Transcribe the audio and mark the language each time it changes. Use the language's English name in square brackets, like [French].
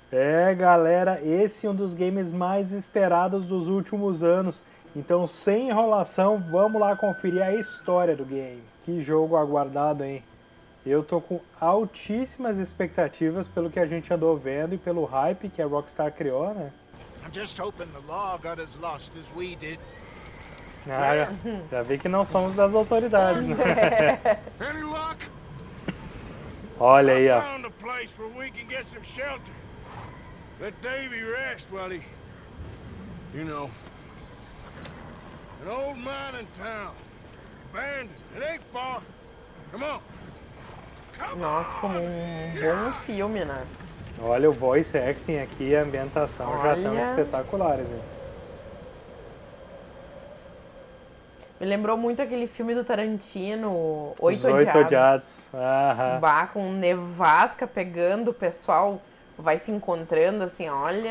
[Portuguese] É, galera, esse é um dos games mais esperados dos últimos anos. Então, sem enrolação, vamos lá conferir a história do game. Que jogo aguardado, hein? Eu tô com altíssimas expectativas pelo que a gente andou vendo e pelo hype que a Rockstar criou, né? [English] I'm just hoping the law got as lost as we did. [Portuguese] Ah, já vi que não somos das autoridades, né? [English] Any luck? [Portuguese] Olha aí, ó. [English] I found a place where we can get some shelter. Let Davy rest, Willie. You know, an old mining town, abandoned. It ain't far. Come on. [Portuguese] Nossa, como um bom filme, né? Olha o voice acting aqui, a ambientação já estão espetaculares, hein? Me lembrou muito aquele filme do Tarantino, Os Oito Oito Odiados. Odiados. Bah, com nevasca pegando o pessoal. Vai se encontrando assim, olha.